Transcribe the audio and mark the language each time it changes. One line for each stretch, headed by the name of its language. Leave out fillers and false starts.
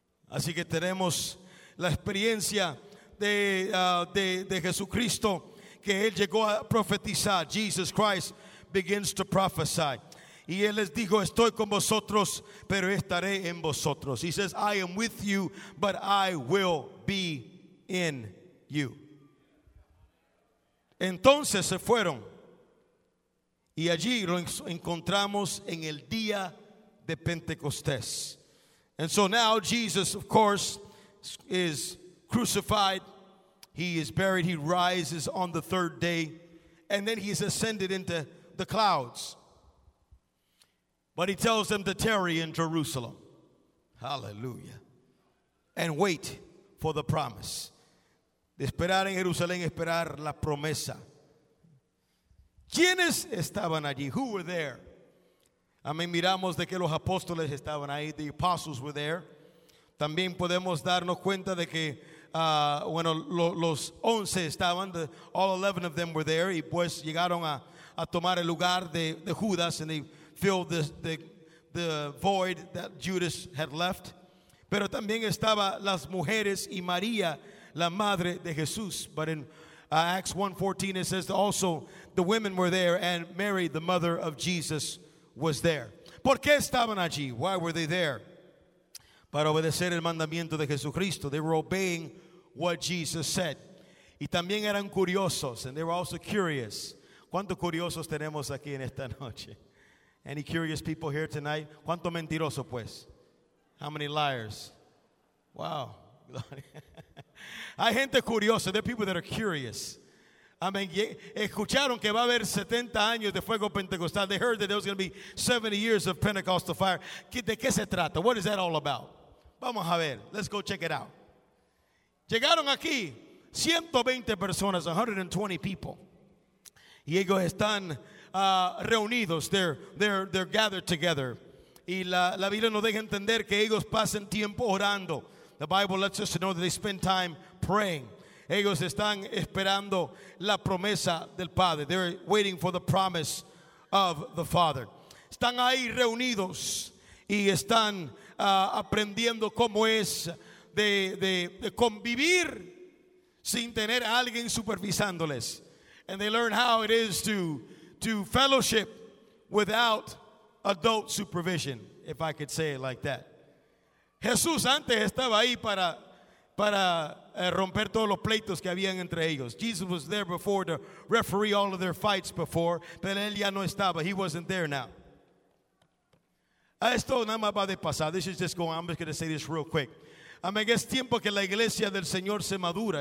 Spanish: Así que tenemos la experiencia de Jesucristo, que él llegó a profetizar.
English: Jesus Christ begins to prophesy.
Spanish: Y él les dijo, estoy con vosotros, pero estaré en vosotros.
English: He says, I am with you, but I will be in you.
Spanish: Entonces se fueron. Y allí lo encontramos en el día de Pentecostés.
English: And so now Jesus, of course, is crucified. He is buried. He rises on the third day. And then he is ascended into the clouds. But he tells them to tarry in Jerusalem. Hallelujah. And wait for the promise.
Spanish: De esperar en Jerusalén, esperar la promesa. ¿Quiénes estaban allí?
English: Who were there?
Spanish: Amén, miramos de que los apóstoles estaban ahí.
English: The apostles were there.
Spanish: También podemos darnos cuenta de que, los once estaban.
English: All 11 of them were there.
Spanish: Y pues llegaron a tomar el lugar de Judas.
English: And they filled the void that Judas had left.
Spanish: Pero también estaba las mujeres y María, la madre de Jesús.
English: But in Acts 1:14 it says also the women were there and Mary, the mother of Jesus, was there.
Spanish: ¿Por qué estaban allí?
English: Why were they there?
Spanish: Para obedecer el mandamiento de Jesucristo.
English: They were obeying what Jesus said.
Spanish: Y también eran curiosos,
English: and they were also curious.
Spanish: ¿Cuántos curiosos tenemos aquí en esta noche?
English: Any curious people here tonight?
Spanish: ¿Cuánto mentiroso, pues?
English: How many liars? Wow.
Spanish: Hay gente curiosa.
English: There are people that are curious. Amen.
Spanish: Escucharon que va a haber 70 años de fuego pentecostal.
English: They heard that there was going to be 70 years of Pentecostal fire.
Spanish: ¿De qué se trata?
English: What is that all about?
Spanish: Vamos a ver.
English: Let's go check it out.
Spanish: Llegaron aquí 120 personas,
English: 120 people.
Spanish: Y ellos están reunidos,
English: they're gathered together.
Spanish: Y la Biblia nos deja entender que ellos pasan tiempo orando.
English: The Bible lets us know that they spend time praying.
Spanish: Ellos están esperando la promesa del Padre.
English: They're waiting for the promise of the Father.
Spanish: Están ahí reunidos y están aprendiendo cómo es de convivir sin tener a alguien supervisándoles.
English: And they learn how it is to fellowship without adult supervision, if I could say it like that.
Spanish: Jesús antes estaba ahí para romper todos los pleitos que habían entre ellos.
English: Jesus was there before to referee all of their fights before,
Spanish: pero él ya no estaba.
English: He wasn't there now.
Spanish: Esto nada más va de pasar.
English: This is just going. I'm just going to say this real quick.
Spanish: I mean, es tiempo que la iglesia del Señor se madura.